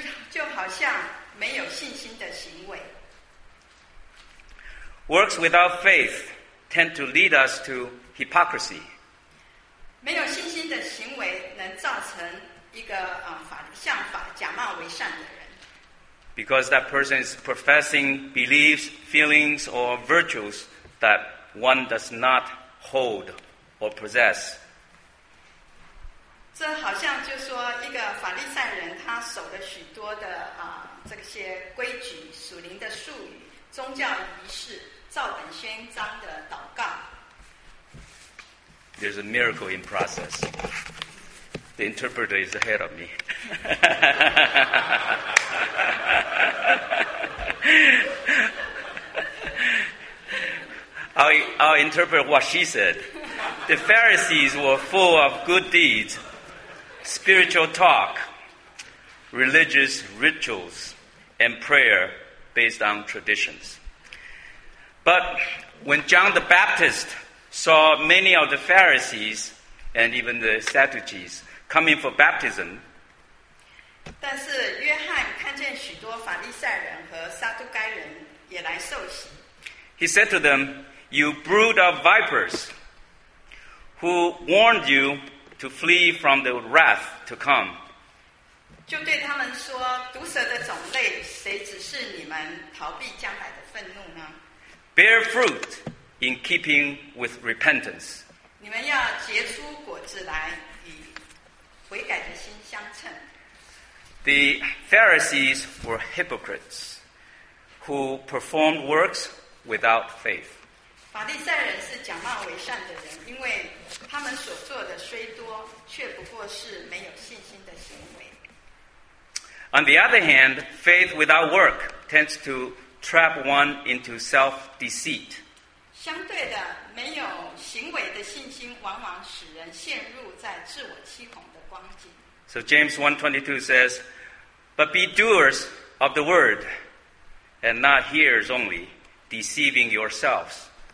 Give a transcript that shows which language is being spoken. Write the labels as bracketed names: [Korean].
[Chinese] 就好像没有信心的行为。 [English] Works without faith tend to lead us to hypocrisy. [Chinese] 没有信心的行为能造成一个假冒为善的人。 [English] Because that person is professing beliefs, feelings, or virtues that one does not hold or possess. [Chinese] 这好像就说一个法利赛人，他守了许多的这些规矩、属灵的术语、宗教仪式、照本宣章的祷告。 [English] There's a miracle in process. The interpreter is ahead of me. I'll interpret what she said. The Pharisees were full of good deeds, spiritual talk, religious rituals, and prayer based on traditions. But when John the Baptist saw many of the Pharisees and even the Sadducees,coming for baptism. [Chinese] 但是约翰看见许多法利赛人和撒都该人也来受洗。 [English] He said to them, "You brood of vipers, who warned you to flee from the wrath to come?" [Chinese] 就对他们说，毒蛇的种类，谁指示你们逃避将来的愤怒呢？ [English] Bear fruit in keeping with repentance. [Chinese] 你们要结出果子来。悔改的心相称。 [English] The Pharisees were hypocrites who performed works without faith. [Chinese] 法利赛人是假冒为善的人，因为他们所做的虽多，却不过是没有信心的行为。 [English] On the other hand, faith without work tends to trap one into self-deceit. [Chinese] 相对的，没有行为的信心往往使人陷入在自我欺哄。 [English] So James 1:22 says, But be doers of the word, and not hearers only, deceiving yourselves.